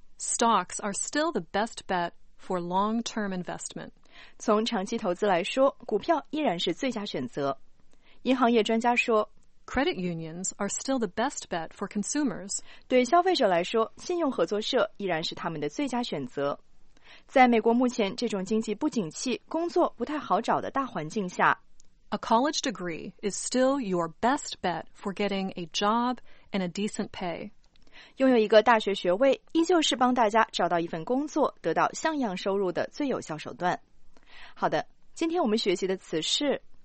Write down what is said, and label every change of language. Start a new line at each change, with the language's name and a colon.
English: Stocks are still the best bet for long-term investment.
Chinese: 从长期投资来说，股票依然是最佳选择。银行业专家说
English: Credit unions are still the best bet for consumers.
Chinese: 对消费者来说，信用合作社依然是他们的最佳选择。在美国目前这种经济不景气、工作不太好找的大环境下，
English: A college degree is still your best bet for getting a job and a decent pay.
Chinese: 拥有一个大学学位依旧是帮大家找到一份工作、得到像样收入的最有效手段。好的，今天我们学习的词是